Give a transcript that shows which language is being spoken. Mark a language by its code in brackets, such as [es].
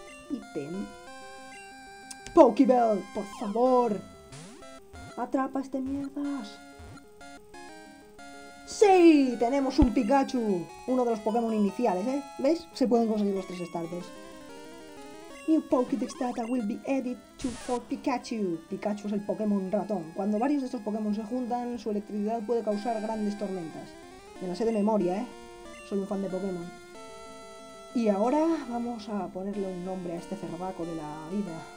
[es] Ítem. ¡Pokéball! ¡Por favor! ¡Atrapa este mierdas! ¡Sí! ¡Tenemos un Pikachu! Uno de los Pokémon iniciales, ¿eh? ¿Ves? Se pueden conseguir los tres starters. [en] New Pokédex data will be added to for Pikachu. [es] Pikachu es el Pokémon ratón. Cuando varios de estos Pokémon se juntan, su electricidad puede causar grandes tormentas. Me la sé de memoria, ¿eh? Soy un fan de Pokémon. Y ahora vamos a ponerle un nombre a este cerbaco de la vida.